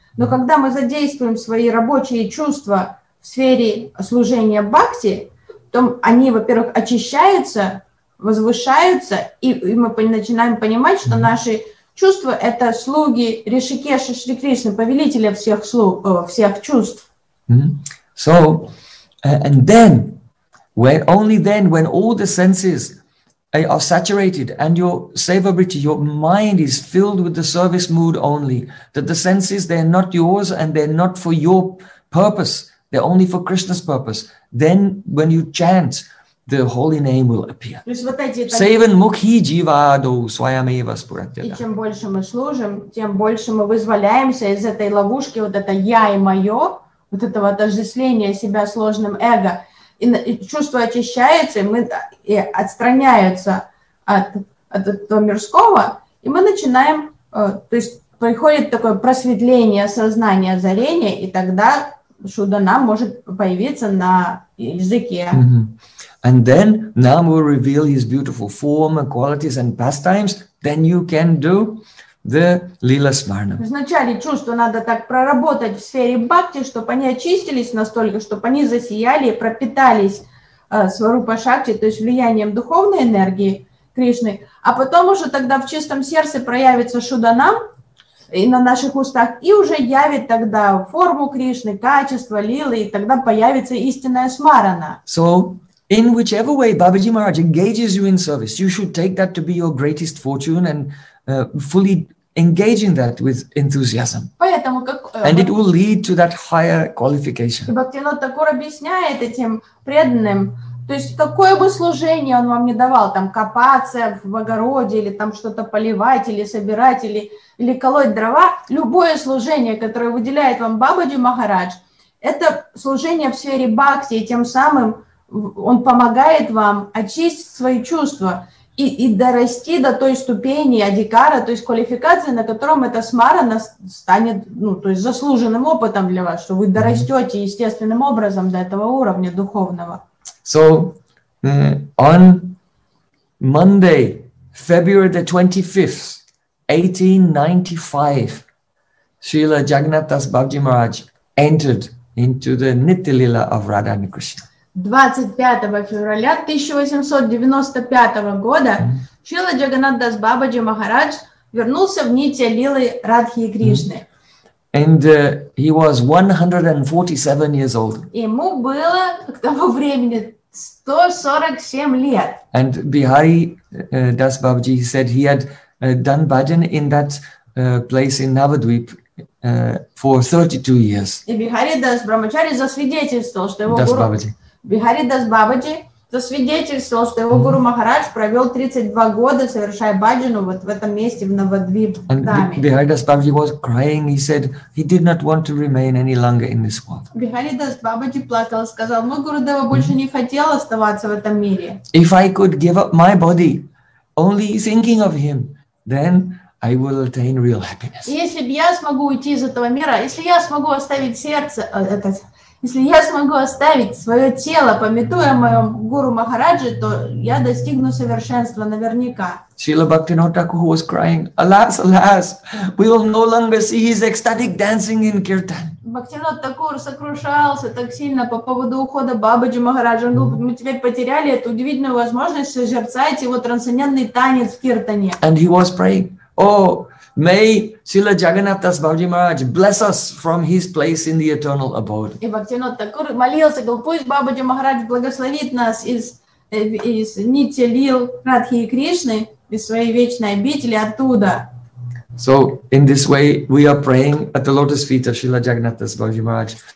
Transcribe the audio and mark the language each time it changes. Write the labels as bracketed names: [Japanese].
[Russian] Но когда мы задействуем свои рабочие чувства в сфере служения бхакти, то они, во-первых, очищаются, возвышаются, и мы начинаем понимать, что наши чувства – это слуги Ришикеши Шри Кришны, повелителя всех слуг, всех чувств. [English] So, and then... When only then, when all the senses are saturated and your savabriti, your mind is filled with the service mood only, that the senses, they're not yours and they're not for your purpose, they're only for Krishna's purpose, then when you chant, the holy name will appear. [Sanskrit] Sevan mukhi jivado swayameva spuratyada. [Russian] И чем больше мы служим, тем больше мы вызволяемся из этой ловушки, вот это я и мое, вот этого отождествления себя с ложным эго. И чувство очищается, и отстраняется от этого мирского, и мы начинаем, то есть приходит такое просветление сознания, озарение, и тогда шудана может появиться на языке. Mm-hmm. [English] And then Nam will reveal his beautiful form and qualities and pastimes, then you can do the lila smarna. [Russian] Вначале чувство надо так проработать в сфере бхакти, чтобы они очистились настолько, чтобы они засияли, пропитались сварупа шакти, то есть влиянием духовной энергии Кришны, а потом уже тогда в чистом сердце проявится шудана и на наших устах, и уже явит тогда форму Кришны, качество лилы, и тогда появится истинная смарана. [English] So, in whichever way Babaji Maharaj engages you in service, you should take that to be your greatest fortune and fully engage in that with enthusiasm. [Russian] Поэтому, как, [English] and it will lead to that higher qualification. [Russian] Бхактинот Такур объясняет этим преданным, то есть какое бы служение он вам не давал, там копаться в огороде, или там что-то поливать, или собирать, или колоть дрова, любое служение, которое выделяет вам Бабаджи Махарадж, это служение в сфере бхакти, и тем самым он помогает вам очистить свои чувства. И дорасти до той ступени адикара, то есть квалификации, на котором эта смарана станет, ну, то есть заслуженным опытом для вас, что вы дорастете естественным образом до этого уровня духовного. [English] So, on Monday, February the 25th, 1895, Srila Jagannatha's Babaji Maharaj entered into the Nityalila of Radha and Krishna. [Russian] 25 февраля 1895 года Шрила Джаганнат Дас Бабаджи Махарадж вернулся в нити лилы Радхи и Кришны. [English] And he was 147 years old. [Russian] Ему было к тому времени 147 лет. [English] And Bihari Das Babaji said he had done bhajan in that place in Navadvip. For 32 years. [Russian] И Бихари Дас Брамачари засвидетельствовал, что его [English] Das [Russian] гуру... Бабаджи. Бихари Дас Бабаджи засвидетельствовал, что его гуру Махарадж провел 32 года, совершая баджану вот в этом месте, в Навадвипе. [English] Бихари Дас Бабаджи was crying. He said he did not want to remain any longer in this world. [Russian] Бихари Дас Бабаджи плакал, сказал, мой гуру Дева больше не хотел оставаться в этом мире. [English] If I could give up my body, only thinking of him, then I will attain real happiness. [Russian] Если бы я смогу уйти из этого мира, если я смогу оставить сердце, этот Если я смогу оставить свое тело, памятуя о моем гуру Махараджи, то я достигну совершенства наверняка. [English] Srila Bhaktinotaku, who was crying, alas, alas, we will no longer see his ecstatic dancing in kirtan. [Russian] Bhaktinotaku сокрушался так сильно по поводу ухода Бабаджи Махараджа. Мы теперь потеряли эту удивительную возможность созерцать его трансцендентный танец в киртане. [English] And he was praying, oh, may Srila Jagannatha's Babaji Maharaj bless us from his place in the eternal abode. [Russian] И Бхактинотаку молился, говорил, пусть Бабаджи Махарадж благословит нас из нити лил Радхи и Кришны, из своей вечной обители оттуда. [English] So in this way we are praying at the lotus feet of Srila Jagannatha's Babaji Maharaj.